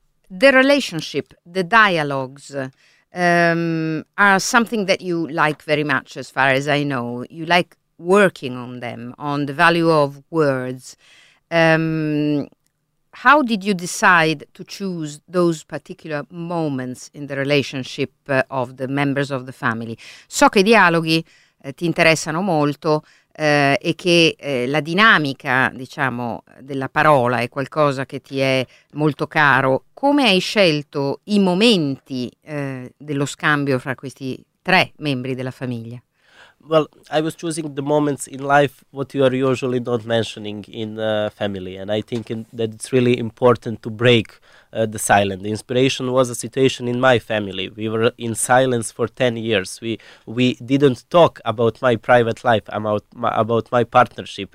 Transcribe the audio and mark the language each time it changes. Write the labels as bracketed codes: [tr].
[en] The relationship, the dialogues are something that you like very much, as far as I know. You like working on them, on the value of words. How did you decide to choose those particular moments in the relationship of the members of the family? [it] So che i dialoghi ti interessano molto, e che la dinamica, diciamo, della parola è qualcosa che ti è molto caro. Come hai scelto i momenti dello scambio fra questi tre membri della famiglia? [en] Well, I was choosing the moments in life what you are usually not mentioning in family, and I think that it's really important to break the silence. The inspiration was a situation in my family. We were in silence for 10 years. We didn't talk about my private life, about my partnership.